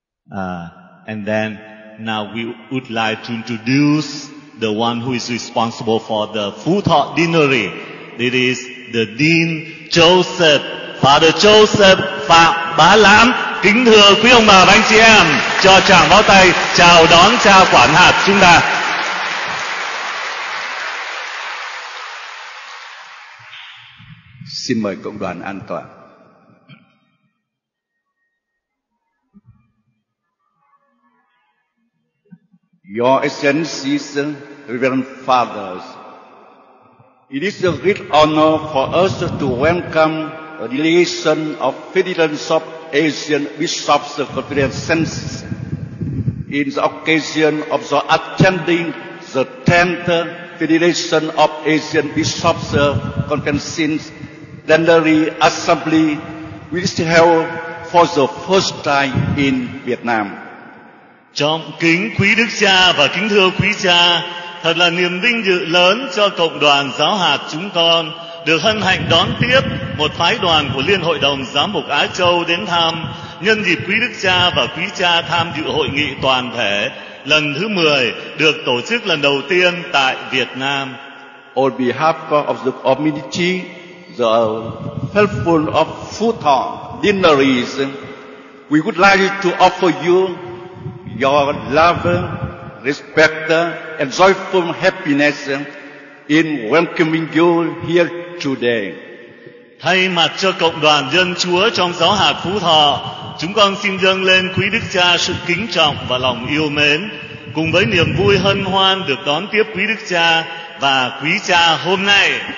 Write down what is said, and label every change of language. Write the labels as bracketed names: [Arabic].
[English] And then now we would like to introduce the one who is responsible for the Phú Thọ Deanery. It is the Dean Joseph, Father Joseph Phạm Bá Lam. [Vietnamese] Kính thưa quý ông bà và anh chị em, cho tràng pháo tay chào đón cha quản hạt chúng ta. Xin mời cộng đoàn an toàn. [English] Your Excellencies, Reverend Fathers, it is a great honor for us to welcome a delegation of Federations of Asian Bishops Conferences in the occasion of the attending the 10th Federation of Asian Bishops Conferences Plenary Assembly, which is held for the first time in Vietnam. [Vietnamese] Trọng kính quý Đức Cha và kính thưa quý cha, thật là niềm vinh dự lớn cho cộng đoàn giáo hạt chúng con được hân hạnh đón tiếp một phái đoàn của Liên Hội đồng Giám mục Á Châu đến thăm nhân dịp quý Đức Cha và quý cha tham dự hội nghị toàn thể lần thứ 10 được tổ chức lần đầu tiên tại Việt Nam. [English] On behalf of the community, the helpful of Phú Thọ Deaneries, we would like to offer you your love, respect and joyful happiness in welcoming you here today. [Vietnamese] Thay mặt cho cộng đoàn dân Chúa trong giáo hạt Phú Thọ, chúng con xin dâng lên quý Đức Cha sự kính trọng và lòng yêu mến, cùng với niềm vui hân hoan được đón tiếp quý Đức Cha và quý cha hôm nay.